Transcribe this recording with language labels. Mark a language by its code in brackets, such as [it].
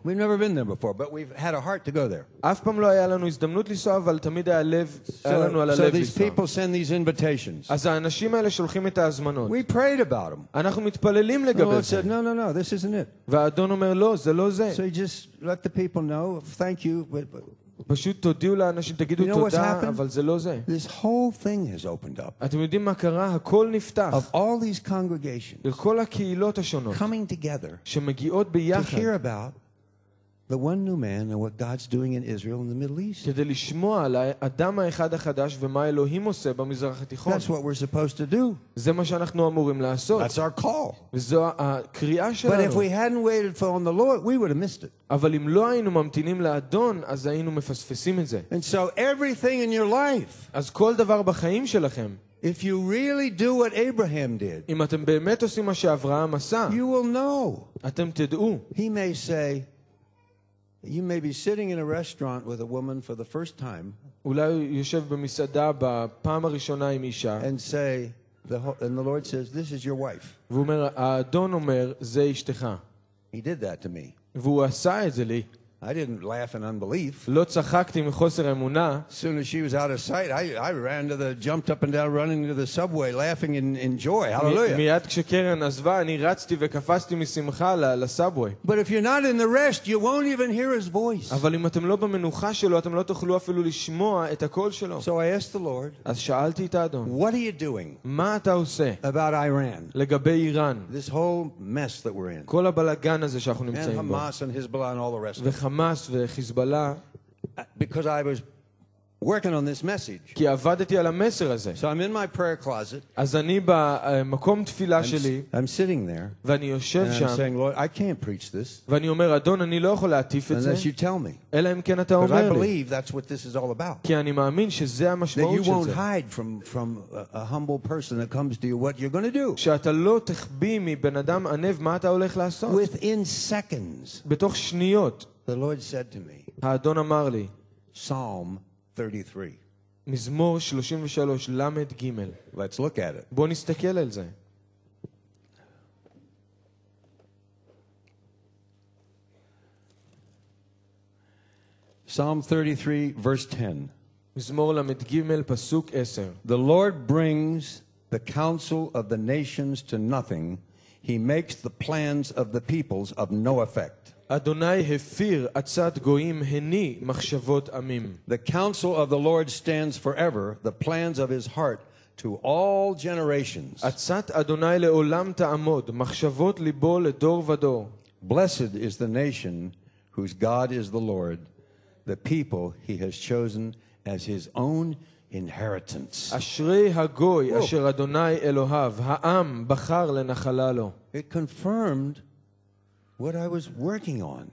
[en] We've never been there before, but we've had a heart to go there. [he] אף פעם לא היה לנו הזדמנות לנסוע, אבל תמיד היה לב, היה לנו על הלב לנסוע. [en] So these people send these invitations. [he] אז האנשים האלה שולחים את ההזמנות. [en] We prayed about them. [he] אנחנו מתפללים לגבי זה. [en] The Lord said, no, this isn't it. [he] והאדון אומר, לא, זה לא זה. [en] So you just let the people know, thank you, but [he] פשוט תודיעו לאנשים, תגידו תודה, אבל זה לא זה. [en] This whole thing has opened up. [he] אתם יודעים מה קרה? הכל נפתח. [en] Of all these congregations. [he] לכל הקהילות השונות. [en] Coming together. [he] שמגיעות ביחד. [en] To hear about the one new man and what God's doing in Israel in the Middle East. [he] כדי לשמוע על האדם האחד החדש ומה אלוהים עושה במזרח התיכון. [en] That's what we're supposed to do. [he] זה מה שאנחנו אמורים לעשות. [en] That's our call. [he] וזו הקריאה שלנו. [en] But if we hadn't waited for on the Lord, we would have missed it. [he] אבל אם לא היינו ממתינים לאדון, אז היינו מפספסים את זה. [en] And so everything in your life. [he] אז כל דבר בחיים שלכם. [en] If you really do what Abraham did. [he] אם אתם באמת עושים מה שאברהם עשה. [en] You will know. [he] אתם תדעו. [en] He may say, you may be sitting in a restaurant with a woman for the first time. [he] אולי יושב במסעדה בפעם הראשונה עם אישה. [en] And say, and the Lord says, this is your wife. [he] והוא אומר, האדון אומר, זה אשתך. [en] He did that to me. [he] והוא עשה את זה לי. [en] I didn't laugh in unbelief. [he] לא צחקתי מחוסר אמונה. [en] Soon as she was out of sight, I ran to the jumped up and down running to the subway laughing in joy. Hallelujah. [he] מיד כשקרן עזבה, אני רצתי וקפצתי משמחה לסאבווי. [en] But if you're not in the rest, you won't even hear his voice. [he] אבל אם אתם לא במנוחה שלו, אתם לא תוכלו אפילו לשמוע את הקול שלו. [en] So I asked the Lord. [he] אז שאלתי את האדון. [en] What are you doing? [he] מה אתה עושה? [en] About Iran. [he] לגבי איראן. [en] This whole mess that we're in. [he] כל הבלגן הזה שאנחנו נמצאים בו. [en] And Hamas and Hezbollah and all the rest. [he] חמאס וחיזבאללה. [en] Because I was working on this message. [he] כי עבדתי על המסר הזה. [en] So I'm in my prayer closet. [he] אז אני במקום תפילה שלי. [en] I'm sitting there. [he] ואני יושב שם. [en] And I'm saying, Lord, I can't preach this. [he] ואני אומר, אדון, אני לא יכול להטיף את זה. [en] Unless you tell me. [he] אלא אם כן אתה אומר לי. [en] But I believe that's what this is all about. [he] כי אני מאמין שזה המשמעות של זה. [en] That you won't hide from a humble person that comes to you what you're going to do. [he] שאתה לא תחביא מבן אדם ענב מה אתה הולך לעשות. [en] Within seconds. [he] בתוך שניות. [en] The Lord said to me. [he] האדון אמר לי. [en] Psalm 33. [he] מזמור 33 למד ג. [en] Let's look at it. [he] בוא נסתכל על זה. [en] Psalm 33 verse 10. [he] מזמור למד ג פסוק 10. [en] The Lord brings the counsel of the nations to nothing. He makes the plans of the peoples of no effect. [he] אדוני הפיר עצת גויים הני מחשבות עמים. [en] The counsel of the Lord stands forever, the plans of his heart to all generations. [he] עצת אדוני לעולם תעמוד, מחשבות ליבו לדור ודור. [en] Blessed is the nation whose God is the Lord, the people he has chosen as his own inheritance. [he] Ashrei hagoy asher Adonai Elohav ha'am bachar lenachala lo. [en] It confirmed what I was working on.